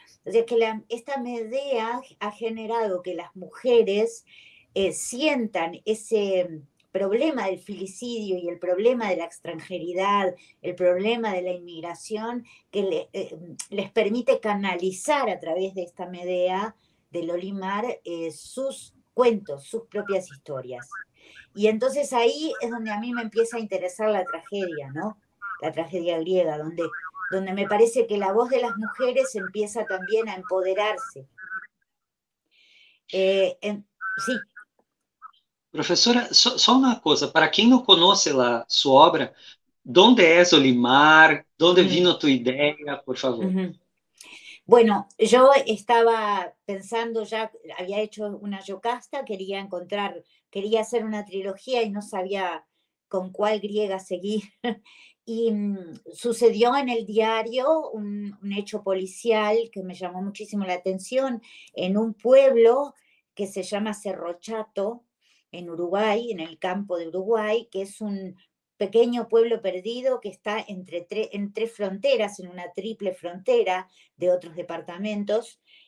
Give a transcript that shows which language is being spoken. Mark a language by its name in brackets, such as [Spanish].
[Spanish] Y, o sea, que esta Medea ha generado que las mujeres sientan ese problema del filicidio y el problema de la extranjeridad, el problema de la inmigración, que les permite canalizar a través de esta Medea del Olimar sus cuentos, sus propias historias. Y entonces ahí es donde a mí me empieza a interesar la tragedia, ¿no? La tragedia griega, donde me parece que la voz de las mujeres empieza también a empoderarse. Sí. [Portuguese] Professora, só uma coisa, para quem não conhece lá sua obra, onde é Olimar? Onde vino a tua ideia, por favor? [Spanish] Bueno, yo estaba pensando ya, había hecho una Yocasta, quería hacer una trilogía y no sabía con cuál griega seguir. Y sucedió en el diario un hecho policial que me llamó muchísimo la atención en un pueblo que se llama Cerro Chato, en Uruguay, en el campo de Uruguay, que es un pequeño pueblo perdido que está en tres fronteras, en una triple frontera de otros departamentos.